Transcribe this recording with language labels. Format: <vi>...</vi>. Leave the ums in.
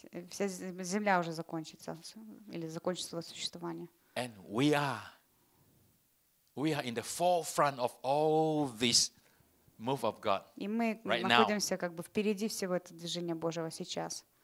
<ru>вся земля уже закончится или закончится свое существование.</ru> <en>And we are, we are in the forefront of all this move of God</en> <ru>И мы</ru> <en>right</en> <ru>находимся</ru> <en>now.</en> <ru>как бы впереди всего этого движения Божьего сейчас.</ru>